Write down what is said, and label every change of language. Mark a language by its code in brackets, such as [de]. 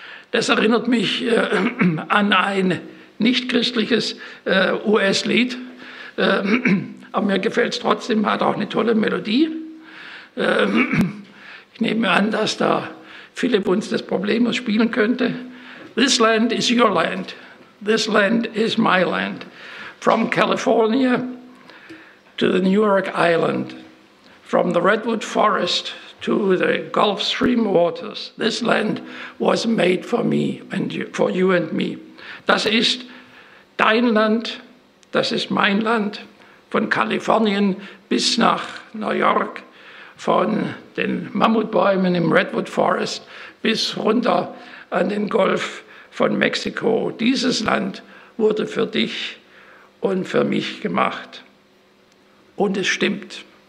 [de] Das erinnert mich an ein nicht-christliches US-Lied, aber mir gefällt es trotzdem, hat auch eine tolle Melodie. Ich nehme an, dass da Philipp uns das Problem spielen könnte. [en] This land is your land. This land is my land. From California to the New York Island. From the Redwood Forest to the Gulf Stream waters. This land was made for me and for you and me. [de] Das ist dein Land. Das ist mein Land. Von Kalifornien bis nach New York. Von den Mammutbäumen im Redwood Forest bis runter an den Golf von Mexiko. Dieses Land wurde für dich und für mich gemacht. Und es stimmt.